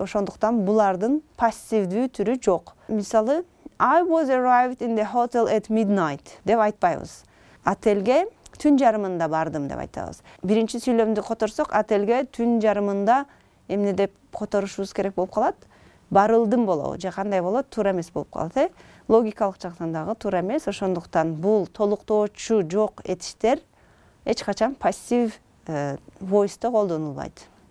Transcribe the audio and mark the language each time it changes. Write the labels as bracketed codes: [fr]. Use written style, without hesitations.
[ky] Ошондуктан булардын пассивдүү түрү жок. Мисалы, [en] I was arrived in the hotel at midnight [ky] деп айтпайбыз. Отелге түн жарымында бардым деп айтабыз. Биринчи сүйлөмдү которсок, отелге түн жарымында эмне деп которушубуз керек болуп калат? Барылдым болобу же кандай болот? Туура эмес болуп калат, э? Логикалык жактан дагы туура эмес. Ошондуктан бул толуктоочу жок этиштер эч качан пассив voice-то колдонулбайт.